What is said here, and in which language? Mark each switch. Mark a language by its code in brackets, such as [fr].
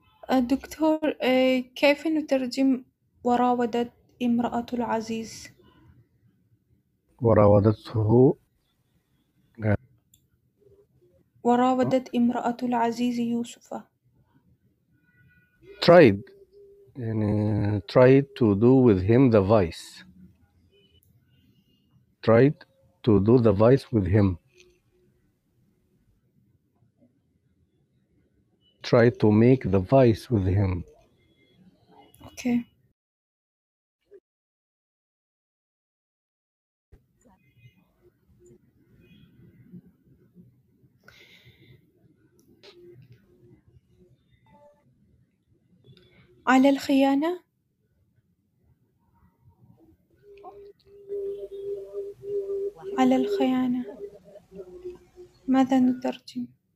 [ar] دكتور كيف نترجم وراودت امرأة العزيز؟ وراودته وراودت امرأة العزيز يوسف [en] tried يعني tried to do with him the vice tried to do the vice with him tried to make the vice with him [ar] okay على الخيانة على الخيانة ماذا نترجم